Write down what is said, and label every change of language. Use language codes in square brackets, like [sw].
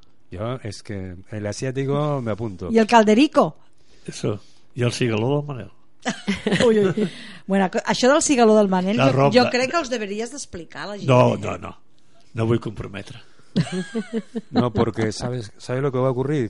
[es] Yo, es que el asiático me apunto. ¿Y el calderico? Eso. ¿Y el cigaló del Manel? Uy. [ca] Bueno, això del cigaló del Manel, jo crec que els deberías d'explicar a la gent. [es] No. No voy a comprometer. No, porque ¿sabes lo que va a ocurrir?